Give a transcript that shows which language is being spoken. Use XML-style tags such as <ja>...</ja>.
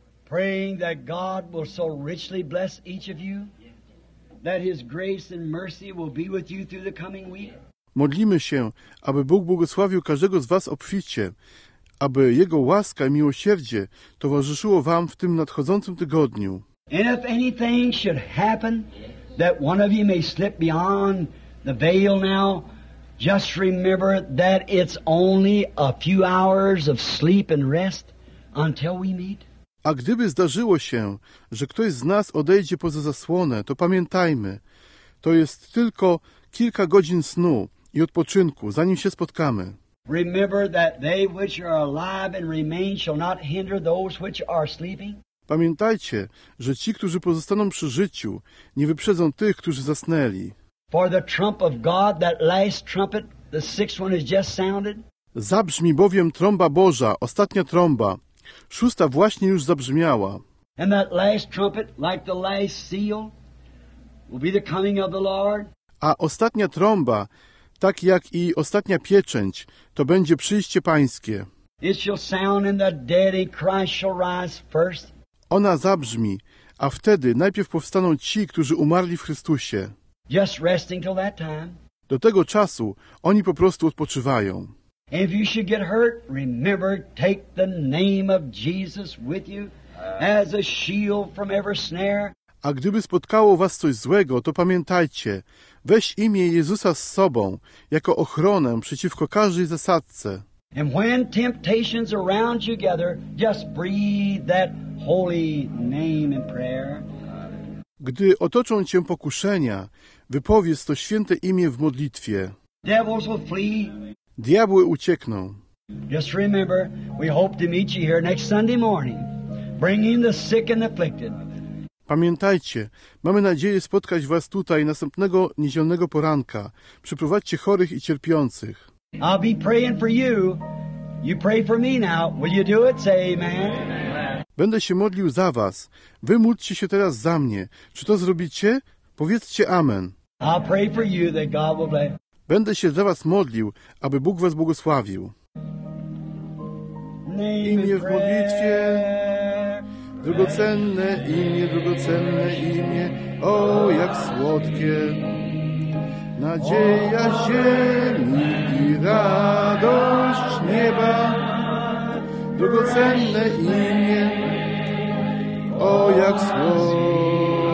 <en>Praying that God will so richly bless each of you, that His grace and mercy will be with you through the coming week.</en> <pl>Modlimy się, aby Bóg błogosławił każdego z was obficie, aby Jego łaska i miłosierdzie towarzyszyło wam w tym nadchodzącym tygodniu.</pl> <en>And if anything should happen, that one of you may slip beyond the veil now, just remember that it's only a few hours of sleep and rest until we meet.</en> <pl>A gdyby zdarzyło się, że ktoś z nas odejdzie poza zasłonę, to pamiętajmy, to jest tylko kilka godzin snu i odpoczynku, zanim się spotkamy.</pl> <en>Remember that they which are alive and remain shall not hinder those which are sleeping.</en> <pl>Pamiętajcie, że ci, którzy pozostaną przy życiu, nie wyprzedzą tych, którzy zasnęli.</pl> <en>For the trump of God, that last trumpet, the sixth one has just sounded.</en> <pl>Zabrzmi bowiem trąba Boża, ostatnia trąba. Szósta właśnie już zabrzmiała.</pl> <en>And that last trumpet, like the last seal, will be the coming of the Lord.</en> <pl>A ostatnia trąba, tak jak i ostatnia pieczęć, to będzie przyjście Pańskie.</pl> <en>It shall sound and the dead in Christ shall rise first.</en> <pl>Ona zabrzmi, a wtedy najpierw powstaną ci, którzy umarli w Chrystusie.</pl> <en>Just resting till that time.</en> <pl>Do tego czasu oni po prostu odpoczywają.</pl> <en>And if you should get hurt, remember, take the name of Jesus with you as a shield from every snare.</en> <pl>A gdyby spotkało was coś złego, to pamiętajcie, weź imię Jezusa z sobą jako ochronę przeciwko każdej zasadce.</pl> <en>And when temptations around you gather, just breathe that holy name in prayer.</en> <pl>Gdy otoczą cię pokuszenia, wypowiedz to święte imię w modlitwie.</pl> <en>Devils will flee.</en> <pl>Diabły uciekną.</pl> <en>Just remember, we hope to meet you here next Sunday morning, bringing the sick and afflicted.</en> <pl>Pamiętajcie, mamy nadzieję spotkać was tutaj następnego niedzielnego poranka. Przyprowadźcie chorych i cierpiących.</pl> <en>I'll be praying for you. You pray for me now. Will you do it? Say amen.</en> <pl>Będę się modlił za was. Wy módlcie się teraz za mnie. Czy to zrobicie? Powiedzcie amen.</pl> <en>I'll pray for you that God will bless.</en> <pl>Będę się za was modlił, aby Bóg was błogosławił. Imię w modlitwie. Drogocenne imię, drogocenne imię. O, jak słodkie. Nadzieja ziemi i radość nieba, drogocenne imię, o jak słodkie.</pl>